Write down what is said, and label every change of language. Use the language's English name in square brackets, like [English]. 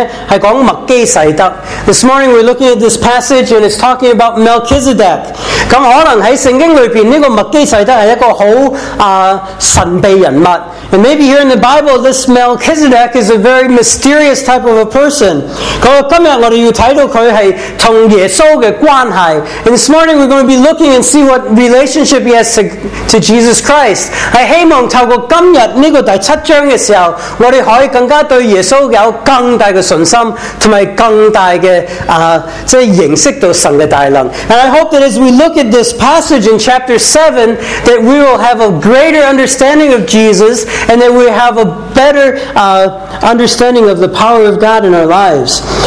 [English] This morning we're looking at this passage and it's talking about Melchizedek. [Cantonese] 咁可能喺聖經裏邊呢個麥基洗德係一個好神秘人物。 [English] And maybe here in the Bible, this Melchizedek is a very mysterious type of a person. [Cantonese] 今日我哋要睇到佢係同耶穌嘅關係。 [English] And this morning we're going to be looking and see what relationship he has to Jesus Christ. [Cantonese] 係希望透過今日呢個第七章嘅時候，我哋可以更加對耶穌有更大嘅信心，同埋更大嘅即係認識到神嘅大能。 [English] And I hope that as we look at this passage in chapter 7, that we will have a greater understanding of Jesus and that we have a better understanding of the power of God in our lives.